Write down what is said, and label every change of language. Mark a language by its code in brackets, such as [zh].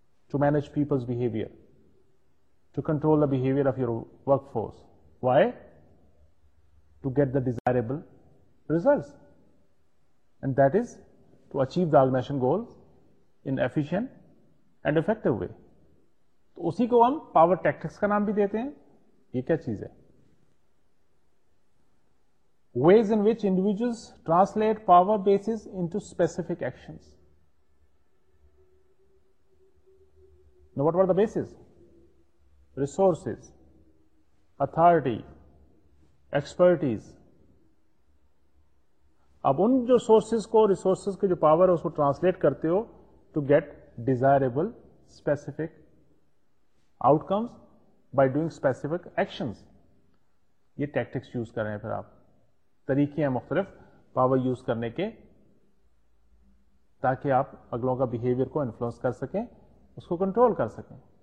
[en] To manage people's behavior. To control the behavior of your workforce. Why? To get the desirable results. And that is to achieve the organization goals in efficient and effective way. [ur] تو اسی کو ہم power tactics کا نام بھی دیتے ہیں. یہ کیا چیز ہے؟ [en] Ways in which individuals translate power bases into specific actions. Now, what were the bases? Resources, authority, expertise. [ur] اب ان جو سورسز کو ریسورسز کے جو پاور ہے اس کو ٹرانسلیٹ کرتے ہو [en] To get desirable specific outcomes by doing specific actions. [ur] یہ ٹیکٹکس یوز کر رہے ہیں پھر آپ, طریقے ہیں مختلف پاور یوز کرنے کے تاکہ آپ اگلوں کا بیہیویئر کو انفلوئنس کر سکیں, اس کو کنٹرول کر سکیں.